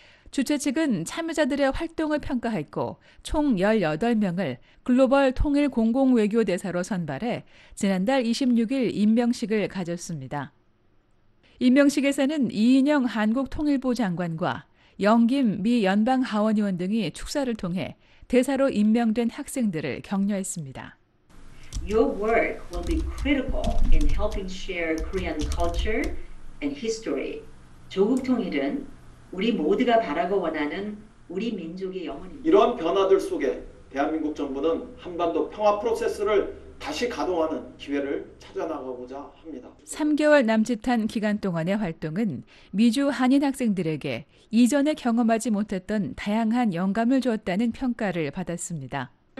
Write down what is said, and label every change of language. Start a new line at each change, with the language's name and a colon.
Korean: 주최 측은 참여자들의 활동을 평가했고 총 18명을 글로벌 통일 공공외교대사로 선발해 지난달 26일 임명식을 가졌습니다. 임명식에서는 이인영 한국통일부 장관과 영김 미 연방 하원의원 등이 축사를 통해 대사로 임명된 학생들을 격려했습니다.
English: Your work will be critical in helping share Korean culture and history.
Korean: 조국 통일은 우리 모두가 바라고 원하는 우리 민족의 영혼입니다. 이런 변화들 속에 대한민국 정부는 한반도 평화 프로세스를 다시 가동하는 기회를 찾아나가고자 합니다. 3개월 남짓한 기간 동안의 활동은 미주 한인 학생들에게 이전에 경험하지 못했던 다양한 영감을 주었다는 평가를 받았습니다.